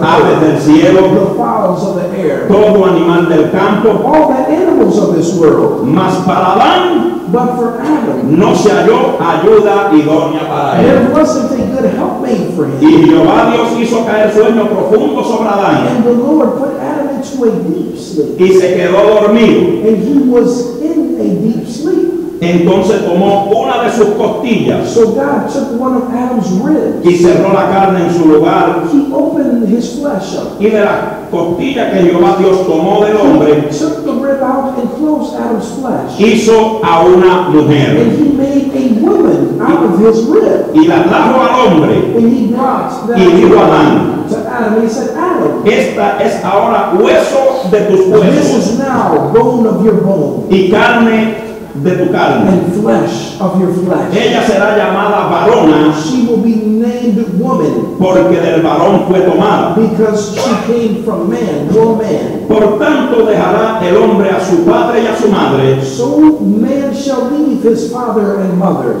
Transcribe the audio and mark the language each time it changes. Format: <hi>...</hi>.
<es>aves del cielo.</es> <en>The fowls of the air.</en> <es>Todo animal del campo.</es> <en>All the animals of this world.</en> <es>Mas para Adán,</es> <en>but for Adam,</en> <es>no se halló ayuda idónea para él.</es> <en>There wasn't a good helpmate for him.</en> <es>Y Jehová Dios hizo caer sueño profundo sobre Adán.</es> <en>And the Lord put Adam into a deep sleep.</en> <es>Y se quedó dormido.</es> <en>And he was in a deep sleep.</en> <es>Entonces tomó una de sus costillas.</es> <en>So God took one of Adam's ribs.</en> <es>Y cerró la carne en su lugar.</es> <en>He opened his flesh up.</en> <es>Y de la costilla que Jehová Dios tomó del hombre,</es> <en>he took the rib out and closed Adam's flesh.</en> <es>Hizo a una mujer.</es> <en>And he made a woman out of his rib.</en> <es>Y la trajo al hombre.</es> <en>And he brought that</en> <es>y dijo a Adán,</es> <en>to Adam, he said, Adam,</en> <es>esta es ahora hueso de tus huesos.</es> <en>This is now bone of your bone.</en> <es>Y carne de tu carne.</es> <en>And flesh of your flesh.</en> <es>Ella será llamada varona.</es> <en>She will be named woman.</en> <es>Porque del varón fue tomada.</es> <en>Because she came from man, no man.</en> <es>Por tanto dejará el hombre a su padre y a su madre.</es> <en>So man shall leave his father and mother.</en>